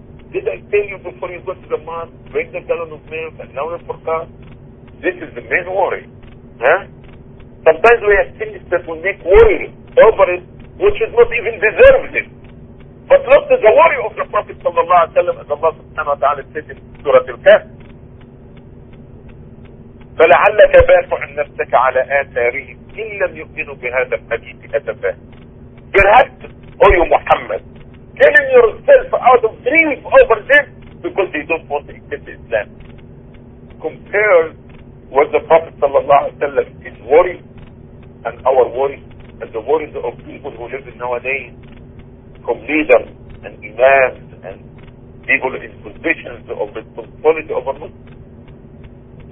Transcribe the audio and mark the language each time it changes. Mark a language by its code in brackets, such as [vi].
[en] Did I tell you before you go to the mosque, bring the gallon of milk and now the forecast? This is the main worry. Huh? Sometimes we have things that will make worry over it, which is not even deserved it. But look to the worry of the Prophet sallallahu alayhi wa sallam, as Allah subhanahu wa ta'ala said in Surah Al-Kahf. [ar] فلعلك باخع نفسك على آثارهم إن لم يؤمنوا بهذا الحديث أسفا. [en] Perhaps, O you Muhammad, telling yourself out of grief over them because they don't want to accept Islam. Compare what the Prophet sallallahu alayhi wa sallam is worried and our worries, and the worries of people who live nowadays, from leaders and imams and people in positions of responsibility over Muslims.